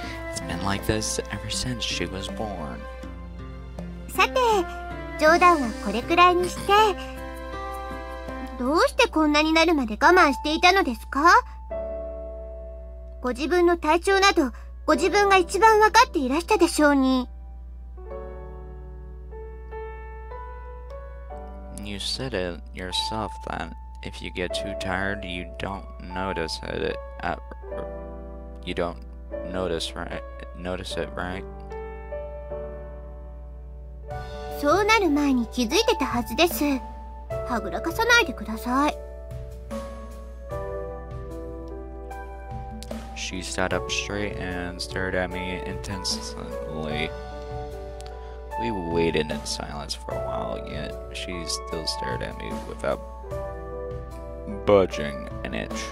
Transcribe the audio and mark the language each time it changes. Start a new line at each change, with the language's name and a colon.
English: It's been like this ever since she was born.
Japanese: さて、冗談はこれくらいにして、どうしてこんなになるまで我慢していたのですか?ご自分の体調など、ご自分が一番わかっていらしたでしょうに。
English: you said it yourself that if you get too tired, you don't notice it. You don't notice it, right?
Japanese: そうなる前に気づいてたはずです。はぐらかさないでください。
English: She sat up straight and stared at me intensely. We waited in silence for a while, yet she still stared at me without budging an inch.